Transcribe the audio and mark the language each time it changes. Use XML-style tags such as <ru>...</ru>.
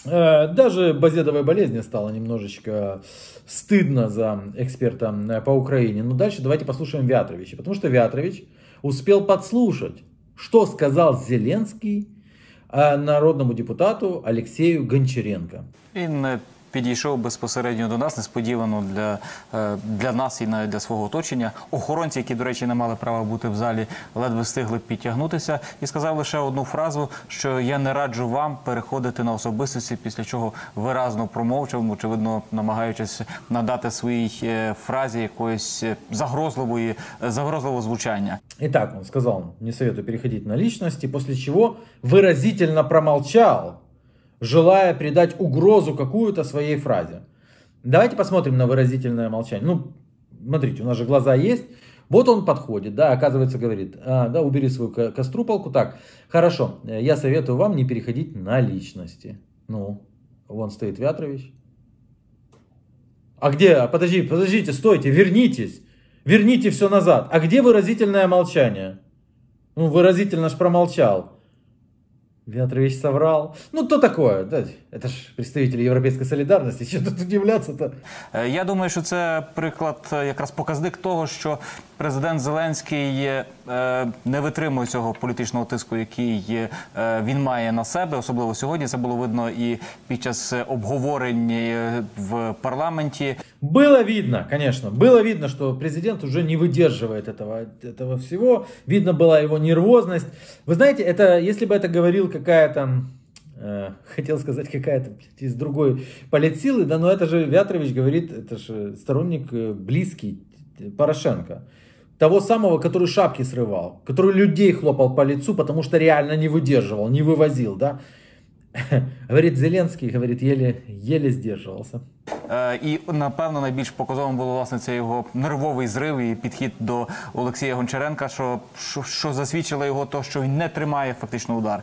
<ru>Даже базедовой болезни стало немножечко стыдно за эксперта по Украине. Но дальше давайте послушаем Вятровича. Потому что Вятрович успел подслушать, что сказал Зеленский народному депутату Алексею Гончаренко. И на...</ru> <uk>Підійшов безпосередньо до нас, несподівано для нас і для свого оточення. Охоронці, які, до речі, не мали права бути в залі, ледве встигли підтягнутися. І сказав лише одну фразу, що я не раджу вам переходити на особистості, після чого виразно промовчав, очевидно, намагаючись надати своїй фразі якоїсь загрозливого звучання. І так, він сказав,</uk> <ru>не советую</ru> <uk>переходити на личності, після чого виразительно промовчав.</uk> <ru>желая придать угрозу какую-то своей фразе. Давайте посмотрим на выразительное молчание. Ну, смотрите, у нас же глаза есть. Вот он подходит, да, оказывается, говорит, да, убери свою каструпалку, так, хорошо, я советую вам не переходить на личности. Ну, вон стоит Вятрович. А где, подождите, стойте, верните все назад. А где выразительное молчание? Ну, выразительно ж промолчал. Вятрович соврал. Ну, то такое. Да, это ж представители Європейської солідарності. Що тут удивляться-то?</ru> <uk>Я думаю, що це приклад, якраз показник того, що президент Зеленський не витримує цього політичного тиску, який він має на себе. Особливо сьогодні це було видно і під час обговорень в парламенті. Було видно, звісно. Було видно, що президент вже не витримує цього всього. Видно була його нервозність. Ви знаєте, якщо б це говорив</uk> <ru>какая-то, хотел сказать, какая-то из другой политсилы, да, но это же Вятрович говорит, это же сторонник близкий Порошенко. Того самого, который шапки срывал, который людей хлопал по лицу, потому что реально не выдерживал, не вывозил, да. Говорит Зеленский, говорит, еле сдерживался.</ru> <uk>І, напевно, найбільш показовим було, власне, це його нервовий зрив і підхід до Олексія Гончаренка, що засвідчило його то, що він не тримає фактично удар.</uk>